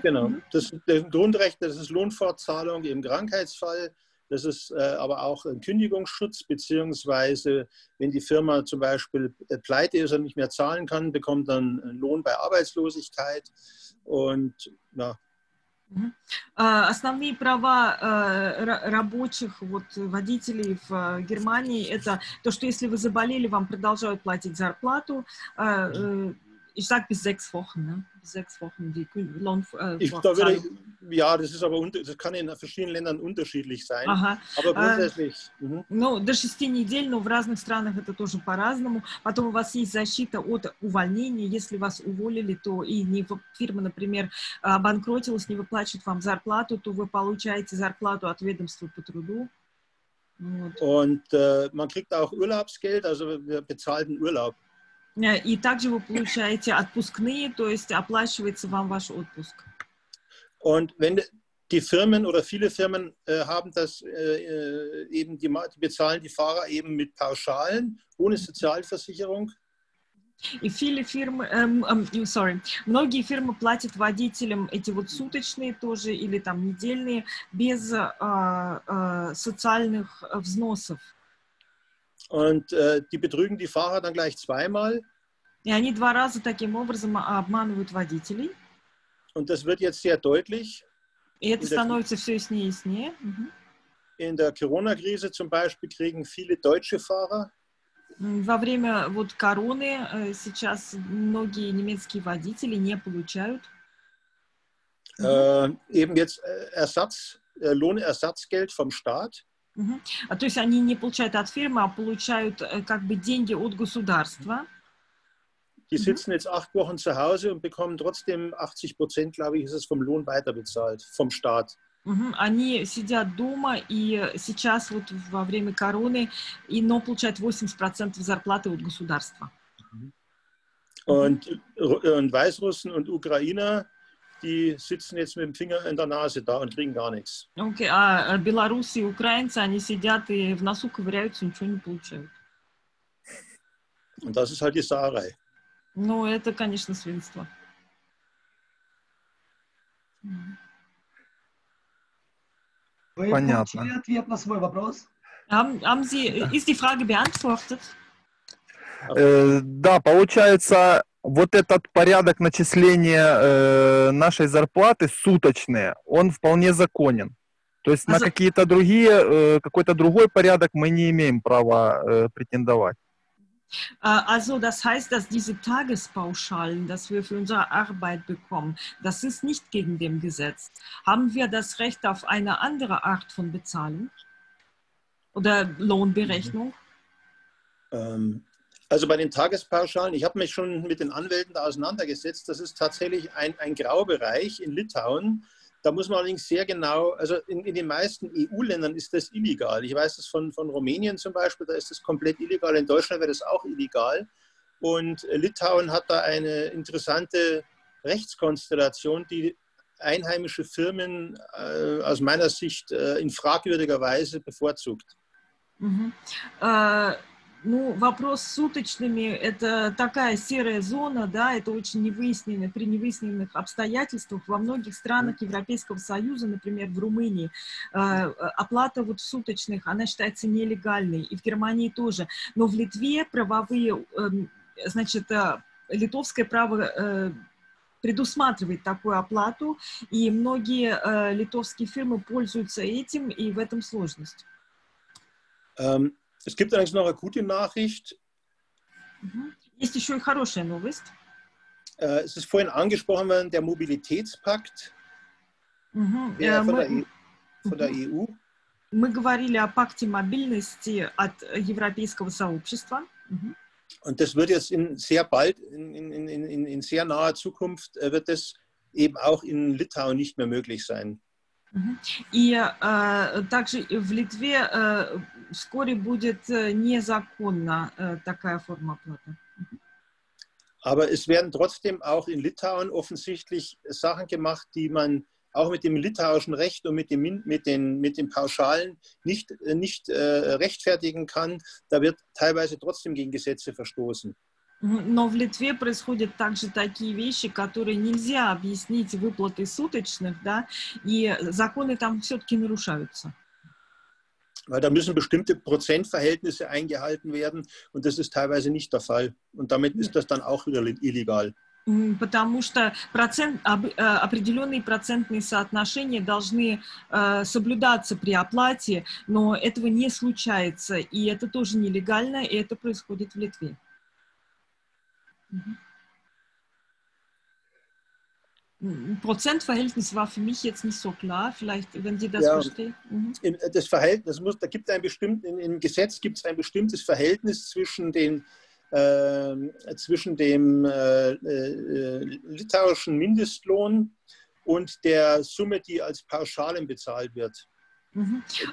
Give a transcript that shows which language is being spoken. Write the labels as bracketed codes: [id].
[de] Genau. Das Grundrechte, das ist Lohnfortzahlung im Krankheitsfall, das ist aber auch ein Kündigungsschutz, beziehungsweise wenn die Firma zum Beispiel pleite ist und nicht mehr zahlen kann, bekommt dann einen Lohn bei Arbeitslosigkeit und ja. [ru] Основные права рабочих, вот, водителей в Германии, это то, что если вы заболели, вам продолжают платить зарплату, [de] ich sage bis 6 Wochen, ne? Bis 6 Wochen die Lohn. Ja, das ist aber das kann in verschiedenen Ländern unterschiedlich sein. Aha. Aber grundsätzlich. [ru] Ну, до 6 недель, но в разных странах это тоже по-разному. Потом у вас есть защита от увольнения, если вас уволили, то и не фирма, например, обанкротилась, не выплачивает вам зарплату, то вы получаете зарплату от ведомства по труду. [de] Und man kriegt auch Urlaubsgeld, also bezahlten Urlaub. [ru] И также вы получаете отпускные, то есть оплачивается вам ваш отпуск. [de] Und wenn die Firmen oder viele Firmen haben das eben, die bezahlen die Fahrer eben mit Pauschalen, ohne Sozialversicherung. [ru] И [de] viele Firmen, sorry, [ru] многие фирмы платят водителям эти вот суточные тоже или там недельные без социальных взносов. [de] Und die betrügen die Fahrer dann gleich zweimal. [ru] И они два раза таким образом обманывают водителей. [de] Und das wird jetzt sehr deutlich. [ru] И это становится все яснее и яснее. [de] In der Corona-Krise zum Beispiel kriegen viele deutsche Fahrer. [ru] Во время вот короны сейчас многие немецкие водители не получают. [de] Eben jetzt Ersatz, Lohnersatzgeld vom Staat. [ru] А то есть они не получают от фирмы, а получают как бы деньги от государства. [de] Die sitzen jetzt 8 Wochen zu Hause und bekommen trotzdem 80%, glaube ich, ist es vom Lohn weiterbezahlt, vom Staat. [ru] Они сидят дома и сейчас вот во время короны и но получают 80% зарплаты от государства. [de] Und Weißrussen und Ukrainer, die sitzen jetzt mit dem Finger in der Nase da und kriegen gar nichts. [ru] Okay, а белорусы и украинцы, они сидят и в носу ковыряются, ничего не получают. [de] Und das ist halt die Sauerei. [ru] Ну, это, конечно, свинство. Понятно. Вы получили ответ на свой вопрос? [de] Ist die Frage beantwortet? [ru] Да, получается, вот этот порядок начисления нашей зарплаты суточные, он вполне законен. То есть на какие-то другие, какой-то другой порядок мы не имеем права претендовать. [de] Also das heißt, dass diese Tagespauschalen, dass wir für unsere Arbeit bekommen, das ist nicht gegen dem Gesetz. Haben wir das Recht auf eine andere Art von Bezahlung oder Lohnberechnung? Also bei den Tagespauschalen, ich habe mich schon mit den Anwälten da auseinandergesetzt, das ist tatsächlich ein Graubereich in Litauen. Da muss man allerdings sehr genau, also in den meisten EU-Ländern ist das illegal. Ich weiß das von Rumänien zum Beispiel, da ist das komplett illegal. In Deutschland wäre das auch illegal. Und Litauen hat da eine interessante Rechtskonstellation, die einheimische Firmen aus meiner Sicht in fragwürdiger Weise bevorzugt. [ru] Ну, вопрос с суточными – это такая серая зона, да, это очень невыясненно, при невыясненных обстоятельствах во многих странах Европейского Союза, например, в Румынии, оплата вот суточных, она считается нелегальной, и в Германии тоже. Но в Литве правовые, значит, литовское право предусматривает такую оплату, и многие литовские фирмы пользуются этим, и в этом сложность. [de] Es gibt allerdings noch eine gute Nachricht. [ru] Есть еще и хорошая новость. [de] Es ist vorhin angesprochen worden, der Mobilitätspakt. Von der EU. [ru] Мы говорили о пакте мобильности от европейского сообщества. [de] Und das wird jetzt in sehr naher Zukunft, wird das eben auch in Litauen nicht mehr möglich sein. [ru] И также в Литве вскоре будет незаконна такая форма оплаты. [de] Aber es werden trotzdem auch in Litauen offensichtlich Sachen gemacht, die man auch mit dem litauischen Recht und mit den Pauschalen nicht rechtfertigen kann. Da wird teilweise trotzdem gegen Gesetze verstoßen. [ru] Но в Литве происходят также такие вещи, которые нельзя объяснить выплатой суточных, да, и законы там все-таки нарушаются. [de] Weil da müssen bestimmte Prozentverhältnisse eingehalten werden und das ist teilweise nicht der Fall. Und damit ist das dann auch wieder illegal. [ru] Потому что определенные процентные соотношения должны соблюдаться при оплате, но этого не случается. И это тоже нелегально, и это происходит в Литве. [de] Prozentverhältnis war für mich jetzt nicht so klar, vielleicht, wenn Sie das verstehen. Mhm. Das Verhältnis, da gibt es ein bestimmtes, im Gesetz gibt es ein bestimmtes Verhältnis zwischen dem litauischen Mindestlohn und der Summe, die als Pauschalen bezahlt wird. Mhm.